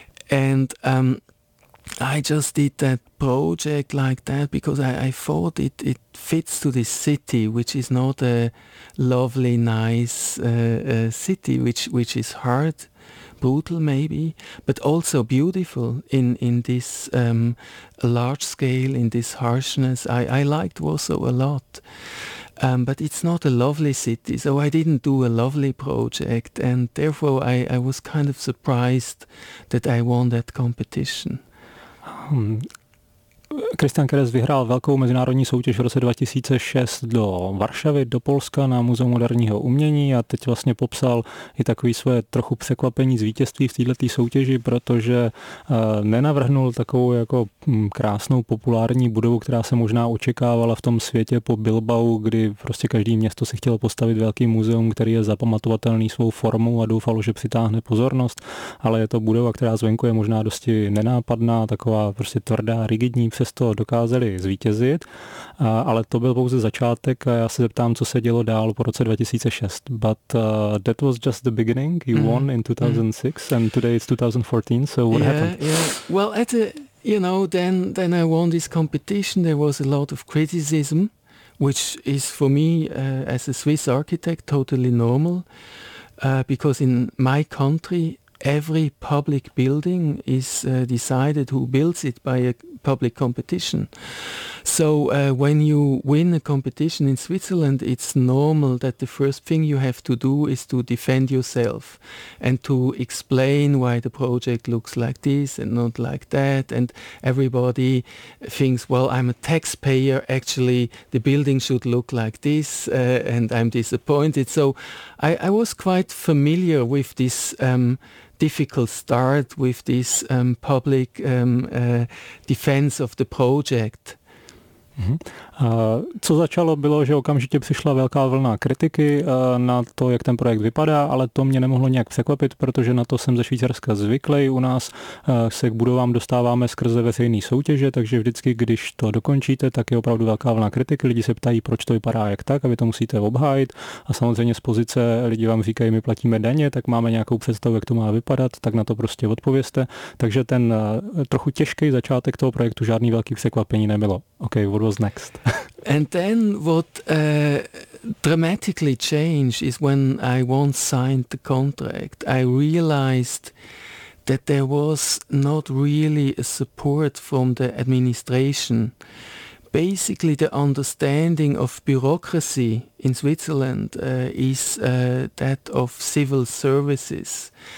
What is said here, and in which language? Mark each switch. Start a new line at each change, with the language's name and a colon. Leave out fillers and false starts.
English: And I just did that project like that because I thought it fits to this city, which is not a lovely, nice city, which is hard, brutal maybe, but also beautiful in this large scale, in this harshness. I liked Warsaw a lot. But it's not a lovely city, so I didn't do a lovely project and therefore I was kind of surprised that I won that competition.
Czech: Kristian Keres vyhrál velkou mezinárodní soutěž v roce 2006 do Varšavy, do Polska na Muzeum moderního umění a teď vlastně popsal i takový svoje trochu překvapení z vítězství v této soutěži, protože nenavrhnul takovou jako krásnou populární budovu, která se možná očekávala v tom světě po Bilbao, kdy prostě každý město si chtělo postavit velký muzeum, který je zapamatovatelný svou formou a doufalo, že přitáhne pozornost, ale je to budova, která zvenku je možná dosti nenápadná, taková prostě tvrdá, rigidní. Přesto dokázali zvítězit, ale to byl pouze začátek a já se zeptám, co se dělo dál po roce 2006.
English: But that was just the beginning. You won in 2006 and today it's 2014, so what happened? Yeah. Well, at the, you know, then I won this competition, there was a lot of criticism, which is for me as a Swiss architect totally normal, because in my country every public building is decided who builds it by a public competition. So when you win a competition in Switzerland, it's normal that the first thing you have to do is to defend yourself and to explain why the project looks like this and not like that. And everybody thinks, well, I'm a taxpayer, actually the building should look like this and I'm disappointed. So I was quite familiar with this difficult start with this public defense of the project.
Czech: Co začalo bylo, že okamžitě přišla velká vlna kritiky na to, jak ten projekt vypadá, ale to mě nemohlo nějak překvapit, protože na to jsem ze Švýcarska zvyklý. U nás se k budovám dostáváme skrze veřejné soutěže, takže vždycky, když to dokončíte, tak je opravdu velká vlna kritiky. Lidi se ptají, proč to vypadá jak tak a vy to musíte obhájit. A samozřejmě z pozice lidi vám říkají, my platíme daně, tak máme nějakou představu, jak to má vypadat, tak na to prostě odpovězte. Takže ten trochu těžký začátek toho projektu žádný velký překvapení nebylo.
English: Okay, what was next? And then what dramatically changed is when I once signed the contract, I realized that there was not really a support from the administration. Basically, the understanding of bureaucracy in Switzerland is that of civil services.